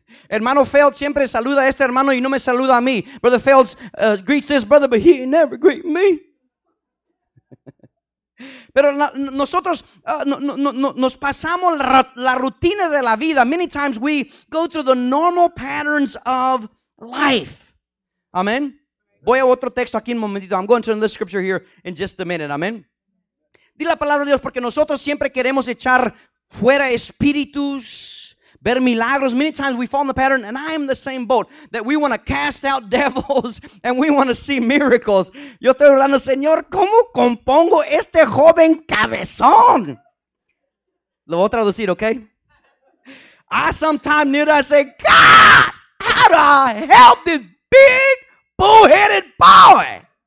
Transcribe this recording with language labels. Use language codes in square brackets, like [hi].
[es] Hermano Feld siempre saluda a este hermano y no me saluda a mí. [en] Brother Feld greets this brother, but he never greet me. [es] Pero nosotros nos pasamos la rutina de la vida. [en] Many times we go through the normal patterns of life. Amen. [es] Voy a otro texto aquí en un momentito. [en] I'm going to another scripture here in just a minute. Amen. [es] Di la palabra de Dios porque nosotros siempre queremos echar fuera espíritus. Ver milagros. [en] Many times we fall in the pattern, and I am the same boat, that we want to cast out devils and we want to see miracles. [es] Yo estoy hablando, Señor, ¿cómo compongo este joven cabezón? Lo voy a traducir, okay? [en] I sometimes knew that I say, God, how do I help this big bull-headed boy?